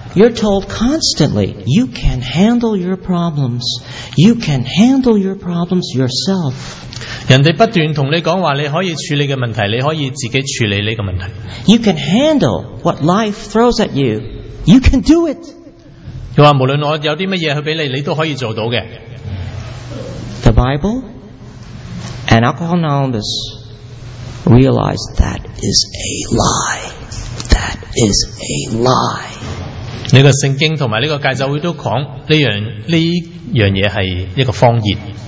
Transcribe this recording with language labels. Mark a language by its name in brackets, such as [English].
[English] You're told constantly, you can handle your problems. You can handle your problems yourself. [Chinese] 人家不断跟你讲话，你可以处理的问题，你可以自己处理这个问题。 [English] You can handle what life throws at you. You can do it. [Chinese] 他说无论我有什么东西去给你，你都可以做到的。 [English] The Bible and Alcohol Anonymous realize that is a lie. That is a lie. [Chinese] 这个圣经和这个戒酒会都说这件事是一个谎言。